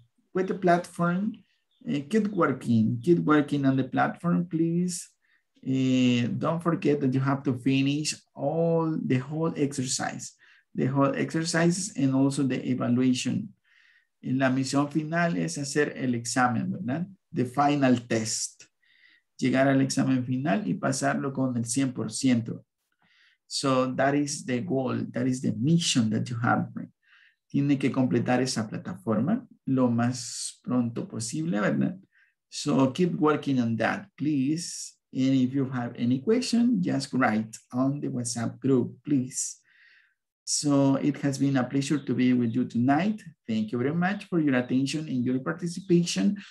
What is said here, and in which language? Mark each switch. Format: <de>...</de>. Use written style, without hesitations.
<en>With the platform, keep working on the platform, please. Don't forget that you have to finish all the whole exercise. The whole exercises and also the evaluation.</en> <es>Y la misión final es hacer el examen, ¿verdad?</es> <en>The final test.</en> <es>Llegar al examen final y pasarlo con el 100%.</es> <en>So that is the goal, that is the mission that you have.</en> <es>Tiene que completar esa plataforma lo más pronto posible, ¿verdad?</es> <en>So keep working on that, please. And if you have any question, just write on the WhatsApp group, please. So it has been a pleasure to be with you tonight. Thank you very much for your attention and your participation.</en>